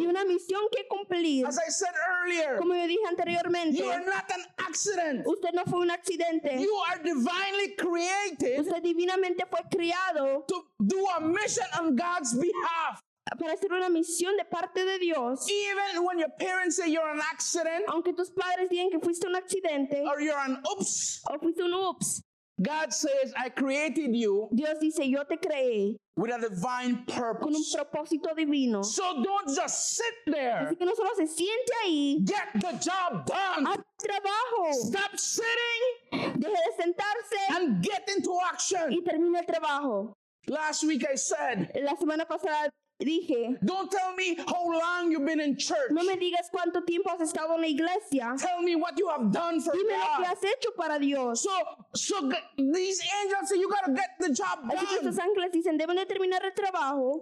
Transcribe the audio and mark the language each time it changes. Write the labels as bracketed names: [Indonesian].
[Spanish] Y una misión que cumplir. [English] As I said earlier. [Spanish] Como yo dije anteriormente. [English] You are not an accident. [Spanish] Usted no fue un accidente. [English] You are divinely created. [Spanish] Usted divinamente fue criado. [English] To do a mission on God's behalf. [Spanish] Para hacer una misión de parte de Dios. [English] Even when your parents say you're an accident. [Spanish] Aunque tus padres digan que fuiste un accidente. [English] Or you're an oops. [Spanish] O fuiste un oops. [English] God says I created you. [Spanish] Dios dice yo te creé. [English] With a divine purpose. [Spanish] Con un propósito divino. [English] So don't just sit there. [Spanish] Así que no solo se siente ahí. [English] Get the job done. [Spanish] Haz trabajo. [English] Stop sitting. [Spanish] Deje de sentarse. [English] And get into action. [Spanish] Y termine el trabajo. [English] Last week I said. [Spanish] La semana pasada dije. [English] Don't tell me how long you've been in church. [Spanish] No me digas cuánto tiempo has estado en la iglesia. [English] Tell me what you have done for [Spanish] Dime [English] God. [Spanish] Dime lo que has hecho para Dios. [English] So these angels say you gotta get the job [Spanish] Así [English] done. [Spanish] Así que estos ángeles dicen deben de terminar el trabajo.